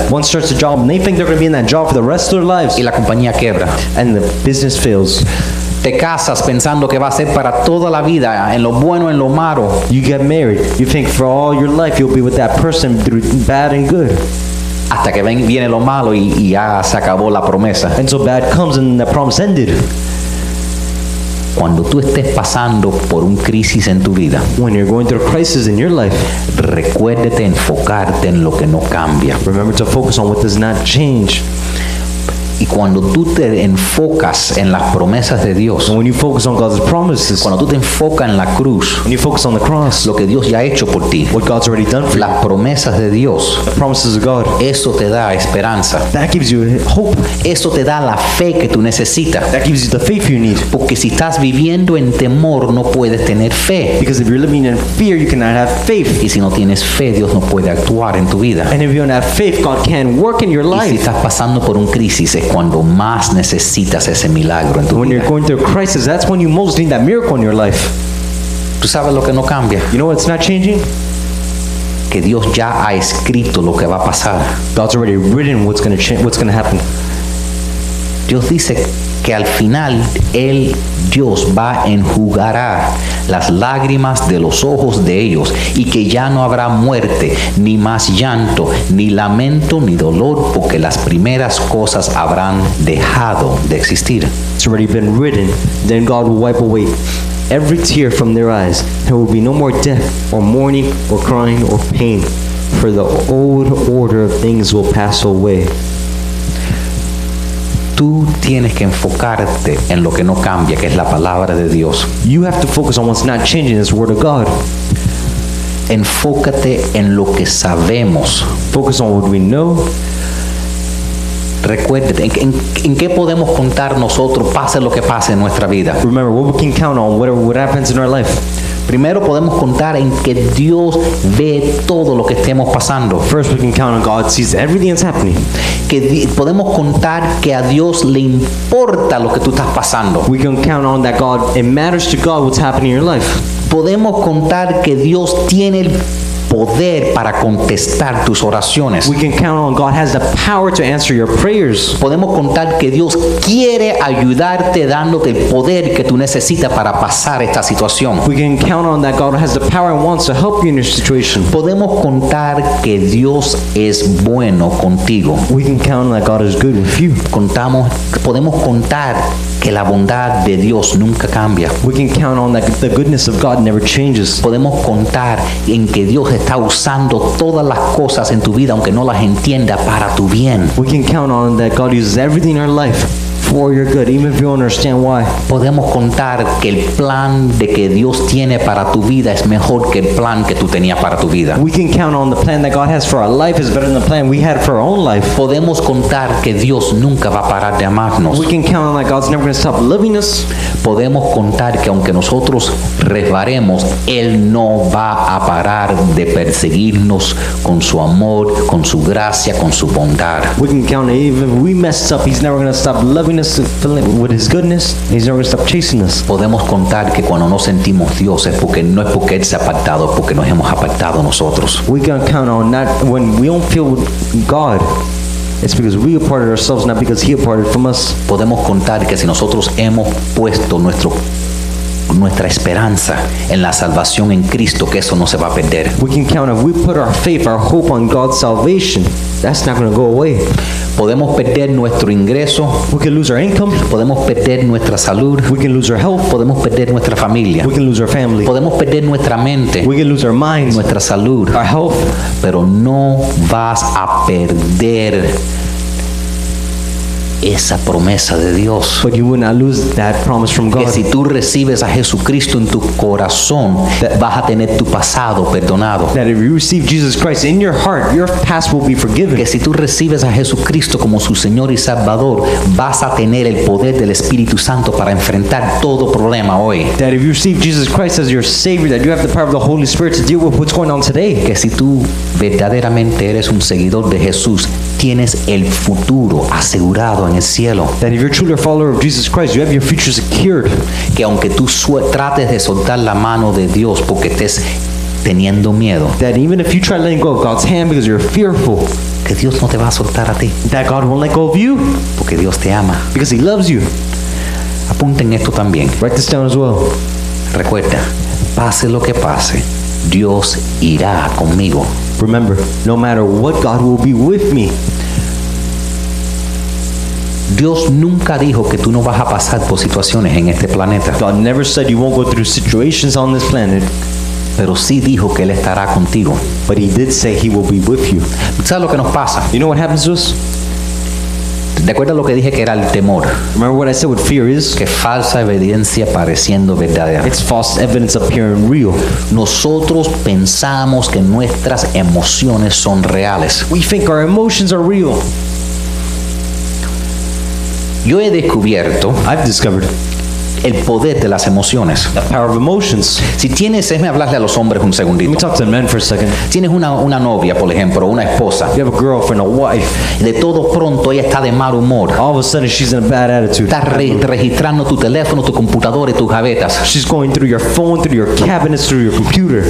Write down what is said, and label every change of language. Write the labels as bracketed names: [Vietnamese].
[English] One starts a job and they think they're going to be in that job for the rest of their lives. [Spanish] Y la compañía quiebra. [English] And the business fails. [Spanish] Te casas pensando que va a ser para toda la vida, en lo bueno, en lo malo. [English] You get married. You think for all your life you'll be with that person through bad and good. [Spanish] Hasta que viene lo malo y ya se acabó la promesa. [English] And so bad comes and the promise ended. [Spanish] Cuando tú estés pasando por un crisis en tu vida, [English] when you're going through a crisis in your life, [Spanish] recuérdate enfocarte en lo que no cambia. [English] Remember to focus on what does not change. [Spanish] Y cuando tú te enfocas en las promesas de Dios, [English] when you focus on God's promises, [Spanish] cuando tú te enfocas en la cruz, [English] when you focus on the cross, [Spanish] lo que Dios ya ha hecho por ti, [English] what God's already done for [Spanish] las [English] you, [Spanish] promesas de Dios, [English] the promises of God, [Spanish] eso te da esperanza. [English] That gives you hope. [Spanish] Eso te da la fe que tú necesitas. [English] That gives you the faith you need. [Spanish] Porque si estás viviendo en temor, no puedes tener fe. [English] Because if you're living in fear, you cannot have faith. [Spanish] Y si no tienes fe, Dios no puede actuar en tu vida. [English] And if you don't have faith, God can't work in your life. [Spanish] Y si estás pasando por un crisis, cuando más necesitas ese milagro en tu [English] when [Spanish] vida. [English] When you're going through a crisis, that's when you most need that miracle in your life. [Spanish] ¿Tú sabes lo que no cambia? [English] You know what's not changing? [Spanish] Que Dios ya ha escrito lo que va a pasar. [English] God's already written what's going to happen. [Spanish] Dios dice que al final él, Dios, va a enjugar las lágrimas de los ojos de ellos y que ya no habrá muerte, ni más llanto, ni lamento, ni dolor, porque las primeras cosas habrán dejado de existir. [English] It's already been written. Then God will wipe away every tear from their eyes. There will be no more death, or mourning, or crying, or pain, for the old order of things will pass away. [Spanish] Tú tienes que enfocarte en lo que no cambia, que es la palabra de Dios. [English] You have to focus on what's not changing, it's the word of God. [Spanish] Enfócate en lo que sabemos. [English] Focus on what we know. [Spanish] Recuérdate, ¿en qué podemos contar nosotros, pase lo que pase en nuestra vida? [English] Remember, what we can count on, whatever happens in our life. [Spanish] Primero podemos contar en que Dios ve todo lo que estemos pasando. [English] First we can count on God sees everything that's happening. [Spanish] Que podemos contar que a Dios le importa lo que tú estás pasando. [English] We can count on that God, it matters to God what's happening in your life. [Spanish] Podemos contar que Dios tiene el poder para contestar tus oraciones. [English] We can count on God has the power to answer your prayers. [Spanish] Podemos contar que Dios quiere ayudarte dándote el poder que tú necesitas para pasar esta situación. [English] We can count on that God has the power and wants to help you in your situation. [Spanish] Podemos contar que Dios es bueno contigo. [English] We can count on that God is good with you. [Spanish] Podemos contar que la bondad de Dios nunca cambia. [English] We can count on that the goodness of God never changes. [Spanish] Podemos contar en que Dios está usando todas las cosas en tu vida aunque no las entienda para tu bien. [English] We can count on that God uses everything in our life for your good, even if you don't understand why. [Spanish] Podemos contar que el plan de que Dios tiene para tu vida es mejor que el plan que tú tenías para tu vida. [English] We can count on the plan that God has for our life is better than the plan we had for our own life. [Spanish] Podemos contar que Dios nunca va a parar de amarnos. [English] We can count on that God's never going to stop loving us. [Spanish] Podemos contar que aunque nosotros resbalemos, Él no va a parar de perseguirnos con su amor, con su gracia, con su bondad. [English] We can count on even if we messed up, He's never going to stop loving us and filling with His goodness. He's never going to stop chasing us. [Spanish] Podemos contar que cuando no sentimos Dios es porque no es porque Él se ha apartado, es porque nos hemos apartado nosotros. [English] We can count on that when we don't feel God. It's because we aparted ourselves, not because He aparted from us. [Spanish] Podemos contar que si nosotros hemos puesto nuestra esperanza en la salvación en Cristo, que eso no se va a perder. [English] We can count if we put our faith, our hope on God's salvation, that's not going to go away. [Spanish] Podemos perder nuestro ingreso. [English] We can lose our income. [Spanish] Podemos perder nuestra salud. [English] We can lose our health. [Spanish] Podemos perder nuestra familia. [English] We can lose our family. [Spanish] Podemos perder nuestra mente. [English] We can lose our minds. [Spanish] Nuestra salud. [English] Our health. [Spanish] Pero no vas a perder esa promesa de Dios. [English] But you will not lose that promise from God. [Spanish] Que si tú recibes a Jesucristo en tu corazón, vas a tener tu pasado perdonado. [English] That if you receive Jesus Christ in your heart, your past will be forgiven. [Spanish] Que si tú recibes a Jesucristo como su Señor y Salvador, vas a tener el poder del Espíritu Santo para enfrentar todo problema hoy. [English] That if you receive Jesus Christ as your Savior, that you have the power of the Holy Spirit to deal with what's going on today. [Spanish] Que si tú verdaderamente eres un seguidor de Jesús, tienes el futuro asegurado en el cielo. [English] That if you're truly a follower of Jesus Christ, you have your future secured. [Spanish] Que aunque tú trates de soltar la mano de Dios porque estés teniendo miedo. [English] That even if you try letting go of God's hand because you're fearful. [Spanish] Que Dios no te va a soltar a ti. [English] That God won't let go of you. [Spanish] Porque Dios te ama. [English] Because He loves you. [Spanish] Apunten esto también. [English] Write this down as well. [Spanish] Recuerda, pase lo que pase, Dios irá conmigo. [English] Remember, no matter what, God will be with me. [Spanish] Dios nunca dijo que tú no vas a pasar por situaciones en este planeta. [English] God never said you won't go through situations on this planet. [Spanish] Pero sí dijo que Él estará contigo. [English] But He did say He will be with you. [Spanish] ¿Sabes lo que nos pasa? [English] You know what happens to us? [Spanish] ¿Recuerdas lo que dije que era el temor? [English] Remember what I said what fear is? [Spanish] Que falsa evidencia pareciendo verdadera. [English] It's false evidence appearing real. [Spanish] Nosotros pensamos que nuestras emociones son reales. [English] We think our emotions are real. [Spanish] Yo he descubierto, [English] I've discovered, [Spanish] el poder de las emociones. [English] The power of emotions. [Spanish] Si tienes, déjame hablarle a los hombres un segundito. [English] Let me talk to the men for a second. [Spanish] Tienes una novia, por ejemplo, una esposa. [English] You have a girlfriend, a wife. [Spanish] Y de todo pronto ella está de mal humor. [English] All of a sudden she's in a bad attitude. [Spanish] Está registrando tu teléfono, tu computadora y tus gavetas. [English] She's going through your phone, through your cabinets, through your computer.